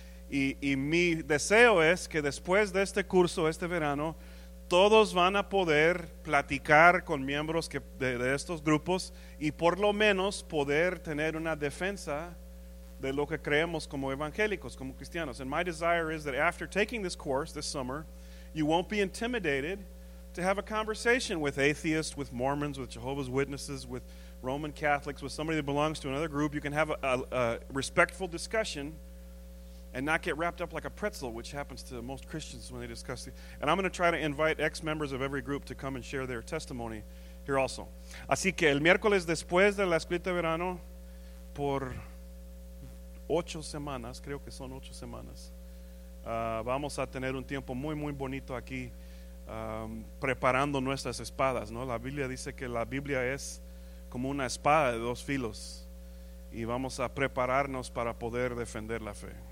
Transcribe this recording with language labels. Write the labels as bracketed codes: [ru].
[es] Y mi deseo es que después de este curso, este verano, todos van a poder platicar con miembros que de estos grupos y por lo menos poder tener una defensa de lo que creemos como evangélicos, como cristianos. [en] And my desire is that after taking this course this summer, you won't be intimidated to have a conversation with atheists, with Mormons, with Jehovah's Witnesses, with Roman Catholics, with somebody that belongs to another group. You can have a respectful discussion and not get wrapped up like a pretzel, which happens to most Christians when they discuss it. And I'm going to try to invite ex-members of every group to come and share their testimony here also. [es] Así que el miércoles después de la escuelita de verano, por 8 semanas, creo que son 8 semanas, vamos a tener un tiempo muy, muy bonito aquí preparando nuestras espadas, ¿no? La Biblia dice que la Biblia es como una espada de dos filos, y vamos a prepararnos para poder defender la fe.